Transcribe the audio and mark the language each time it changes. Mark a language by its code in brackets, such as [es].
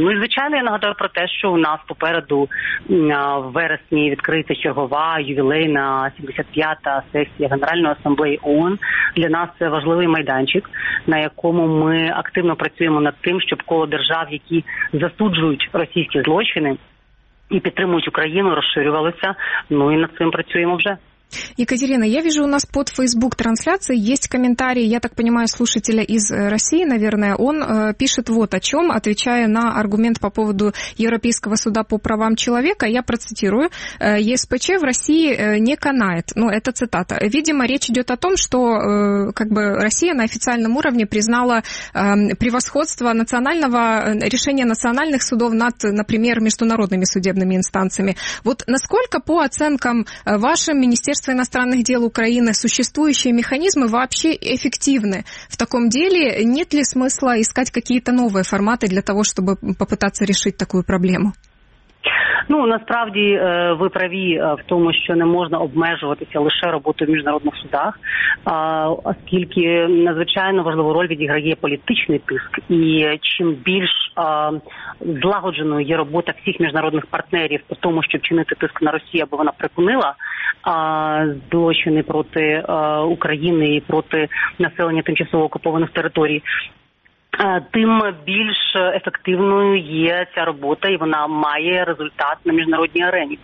[uk] Ну і, звичайно, я нагадаю про те, що у нас попереду в вересні відкриється чергова ювілейна 75-та сесія Генеральної асамблеї ООН. Для нас це важливий майданчик, на якому ми активно працюємо над тим, щоб коло держав, які засуджують російські злочини [ru] и поддерживают Украину, [uk] расширювалися, ну и над цим працюємо вже. [ru] Екатерина, я вижу, у нас под Facebook-трансляцией есть комментарий, я так понимаю, слушателя из России, наверное, он пишет вот о чем, отвечая на аргумент по поводу Европейского суда по правам человека, я процитирую, ЕСПЧ в России не канает, ну, это цитата. Видимо, речь идет о том, что как бы Россия на официальном уровне признала превосходство национального, решения национальных судов над, например, международными судебными инстанциями. Вот насколько по оценкам вашим министерством Министерство иностранных дел Украины, существующие механизмы вообще эффективны в таком деле? Нет ли смысла искать какие-то новые форматы для того, чтобы попытаться решить такую проблему? [uk] Ну, насправді, ви праві в тому, що не можна обмежуватися лише роботою в міжнародних судах, оскільки надзвичайно важливу роль відіграє політичний тиск. І чим більш злагодженою є робота всіх міжнародних партнерів по тому, щоб чинити тиск на Росію, аби вона припинила злочини проти України і проти населення тимчасово окупованих територій, тим більш ефективною є ця робота, і вона має результат на міжнародній арені.